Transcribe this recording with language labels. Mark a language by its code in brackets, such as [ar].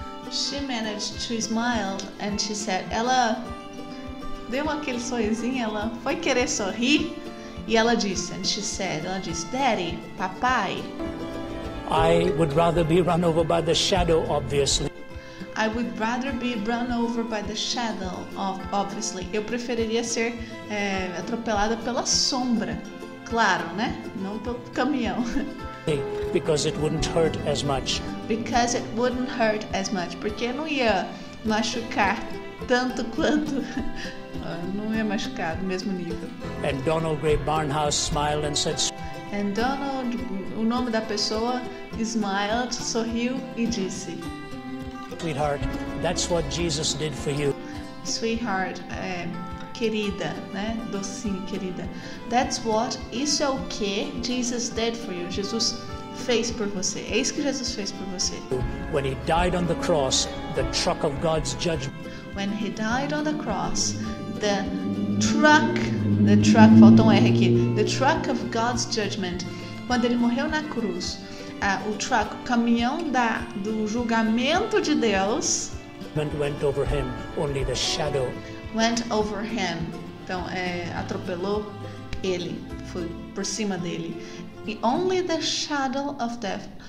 [en] She managed to smile and she said, [pt] ela deu aquele sorrisinho, ela foi querer sorrir e ela disse, [en] and she said, [pt] ela disse, [en] Daddy, [pt] papai. [en] I would rather be run over by the shadow, obviously. I would rather be run over by the shadow of, obviously. [pt] Eu preferiria ser atropelada pela sombra, claro, né? Não pelo caminhão. [en] Because it wouldn't hurt as much. Because it wouldn't hurt as much. [pt] Porque não ia machucar tanto quanto não é machucado, mesmo nível. [en] And Donald Gray Barnhouse smiled and said. [pt] And Donald, o nome da pessoa, [en] smiled, [pt] sorriu e disse. [en] Sweetheart, that's what Jesus did for you. Sweetheart, [pt] querida, né? Docinho, querida. [en] That's what, [pt] isso é o que Jesus [en] did for you. [pt] Jesus fez por você. É isso que Jesus fez por você. [en] When he died on the cross, the truck of God's judgment. When he died on the cross, the truck, [pt] falta um R aqui. [en] The truck of God's judgment. [pt] Quando ele morreu na cruz, o [en] truck, [pt] o caminhão do julgamento de Deus. [en] Went over him, only the shadow. Went over him. [pt] Então, atropelou ele. Foi por cima dele. E [en] only the shadow of death.